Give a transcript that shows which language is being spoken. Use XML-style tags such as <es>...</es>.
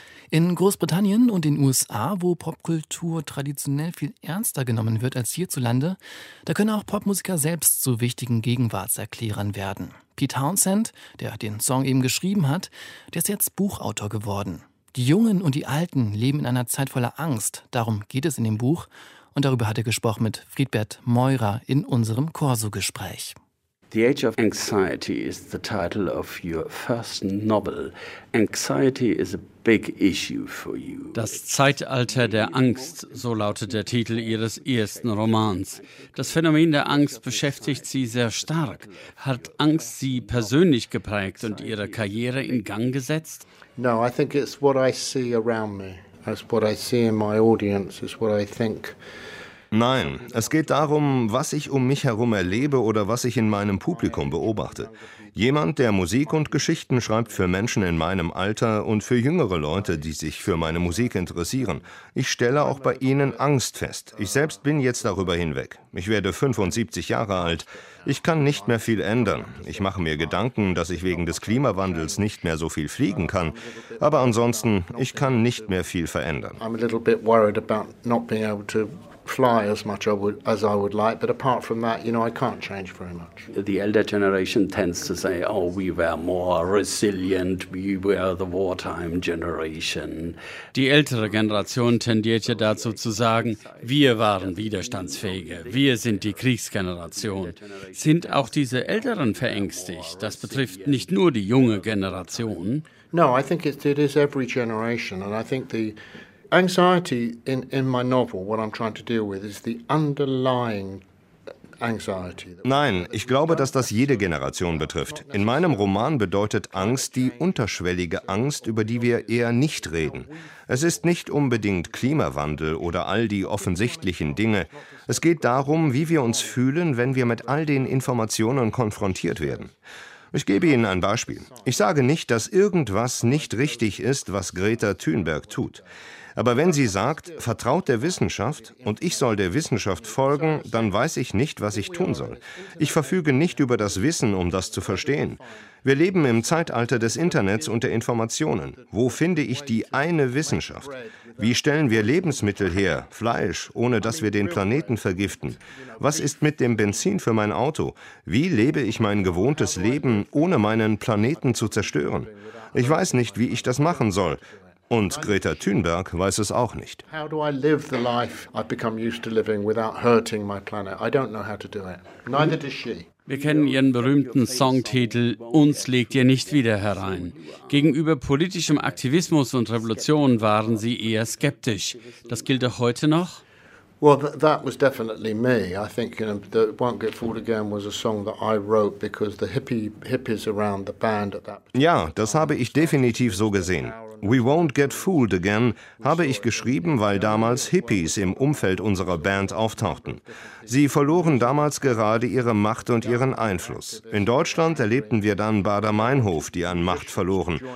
<de>In Großbritannien und den USA, wo Popkultur traditionell viel ernster genommen wird als hierzulande, da können auch Popmusiker selbst zu wichtigen Gegenwartserklärern werden. Pete Townshend, der den Song eben geschrieben hat, der ist jetzt Buchautor geworden. Die Jungen und die Alten leben in einer Zeit voller Angst. Darum geht es in dem Buch. Und darüber hat er gesprochen mit Friedbert Meurer in unserem Corso-Gespräch.</de> <en>The Age of Anxiety is the title of your first novel. Anxiety is a big issue for you.</en> <de>Das Zeitalter der Angst, so lautet der Titel Ihres ersten Romans. Das Phänomen der Angst beschäftigt Sie sehr stark. Hat Angst Sie persönlich geprägt und Ihre Karriere in Gang gesetzt?</de> <en>No, I think it's what I see around me. It's what I see in my audience. It's what I think.</en> <de>Nein, es geht darum, was ich um mich herum erlebe oder was ich in meinem Publikum beobachte. Jemand, der Musik und Geschichten schreibt für Menschen in meinem Alter und für jüngere Leute, die sich für meine Musik interessieren. Ich stelle auch bei ihnen Angst fest. Ich selbst bin jetzt darüber hinweg. Ich werde 75 Jahre alt. Ich kann nicht mehr viel ändern. Ich mache mir Gedanken, dass ich wegen des Klimawandels nicht mehr so viel fliegen kann. Aber ansonsten, ich kann nicht mehr viel verändern.</de> <en>I'm a little bit worried about not being able to fly as much as I would like, but apart from that, you know, I can't change very much. The elder generation tends to say, oh, we were more resilient, we were the wartime generation.</en> <de>Die ältere Generation tendiert ja dazu zu sagen, wir waren widerstandsfähiger, wir sind die Kriegsgeneration. Sind auch diese Älteren verängstigt? Das betrifft nicht nur die junge Generation.</de> <en>No, I think it is every generation, and I think the anxiety in my novel, what I'm trying to deal with, is the underlying anxiety.</en> <de>Nein, ich glaube, dass das jede Generation betrifft. In meinem Roman bedeutet Angst die unterschwellige Angst, über die wir eher nicht reden. Es ist nicht unbedingt Klimawandel oder all die offensichtlichen Dinge. Es geht darum, wie wir uns fühlen, wenn wir mit all den Informationen konfrontiert werden. Ich gebe Ihnen ein Beispiel. Ich sage nicht, dass irgendwas nicht richtig ist, was Greta Thunberg tut. Aber wenn sie sagt, vertraut der Wissenschaft und ich soll der Wissenschaft folgen, dann weiß ich nicht, was ich tun soll. Ich verfüge nicht über das Wissen, um das zu verstehen. Wir leben im Zeitalter des Internets und der Informationen. Wo finde ich die eine Wissenschaft? Wie stellen wir Lebensmittel her, Fleisch, ohne dass wir den Planeten vergiften? Was ist mit dem Benzin für mein Auto? Wie lebe ich mein gewohntes Leben, ohne meinen Planeten zu zerstören? Ich weiß nicht, wie ich das machen soll. Und Greta Thunberg weiß es auch nicht.</de> <en>How do I live the life I've become used to living without hurting my planet? I don't know how to do it. Neither does she.</en> <de>Wir kennen Ihren berühmten Songtitel »Uns legt ihr nicht wieder herein«. Gegenüber politischem Aktivismus und Revolution waren Sie eher skeptisch. Das gilt auch heute noch?</de> <en>Well, that was definitely me. I think, you know, the Won't Get Fooled Again was a song that I wrote because the hippies around the band at that point.</en> <de>Ja, das habe ich definitiv so gesehen. We Won't Get Fooled Again habe ich geschrieben, weil damals Hippies im Umfeld unserer Band auftauchten. Sie verloren damals gerade ihre Macht und ihren Einfluss. In Deutschland erlebten wir dann Baader-Meinhof, die an Macht verloren.</de>